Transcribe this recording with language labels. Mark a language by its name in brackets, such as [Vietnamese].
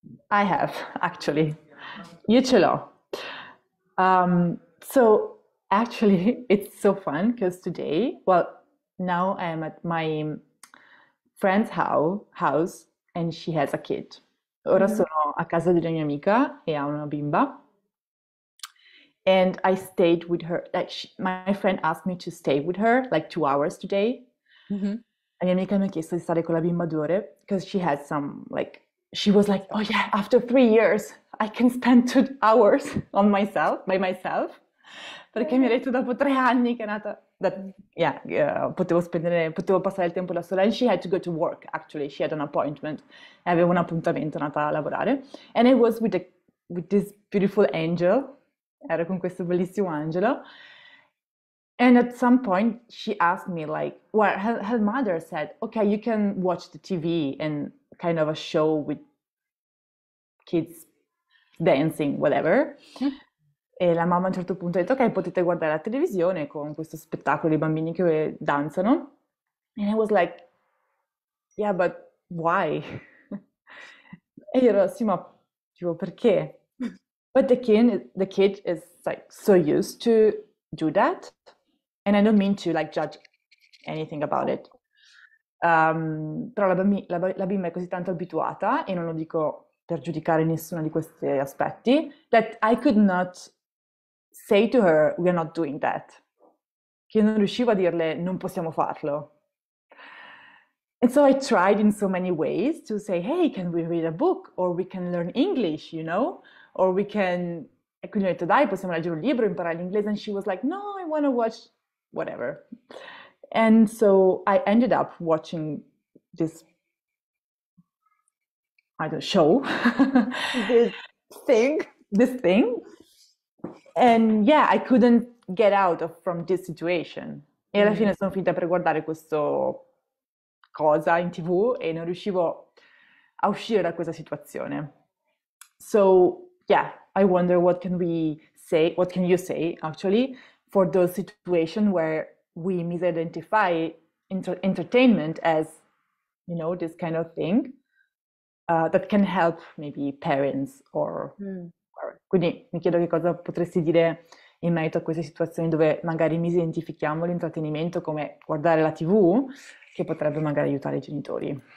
[English] I have, actually. You [Italian] ce l'ho. [English] So, actually, it's so fun because today, well, now I'm at my friend's house and she has a kid. [Italian] Ora sono a casa di una mia amica e ha una bimba. [English] And I stayed with her. Like my friend asked me to stay with her like 2 hours today. [Italian] La mia amica mi ha chiesto di stare con la bimba 2 ore [English] because she has some like she was like, oh yeah, after 3 years I can spend 2 hours on myself by myself. [Italian] Perché mi ha detto dopo 3 anni che è nata [English] that yeah, [Italian] potevo passare il tempo da sola. [English] And she had to go to work, actually. She had an appointment. [Italian] E avevo un appuntamento, è andata a lavorare. [English] And it was with this beautiful angel. [Italian] Era con questo bellissimo angelo. [English] And at some point she asked me, like, well, her mother said, okay, you can watch the TV and kind of a show with kids dancing, whatever. [Italian] E la mamma a un certo punto ha detto, ok, potete guardare la televisione con questo spettacolo di bambini che danzano. [English] And I was like, yeah, but why? [Italian] E io ero, sì, ma tipo, perché? [English] But the kid is like so used to do that. And I don't mean to like judge anything about it. [Italian] Però la bimba è così tanto abituata, e non lo dico per giudicare nessuno di questi aspetti, [English] that I could not say to her, we are not doing that. [Italian] Che non riuscivo a dirle, non possiamo farlo. [English] And so I tried in so many ways to say, hey, can we read a book? Or we can learn English, you know? Or we can, [Italian] e quindi ho detto, dai, possiamo leggere un libro, imparare l'inglese. [English] And she was like, no, I want to watch whatever. And so I ended up watching this, I don't know, This thing. this thing. And yeah, I couldn't get out of from this situation. [Italian] E alla fine sono finita per guardare questo cosa in TV e non riuscivo a uscire da questa situazione. [English] So, yeah, I wonder what can we say, what can you say actually for those situations where we misidentify entertainment as, you know, this kind of thing that can help maybe parents or. [Italian] Quindi mi chiedo che cosa potresti dire in merito a queste situazioni dove magari misidentifichiamo l'intrattenimento come guardare la TV, che potrebbe magari aiutare i genitori.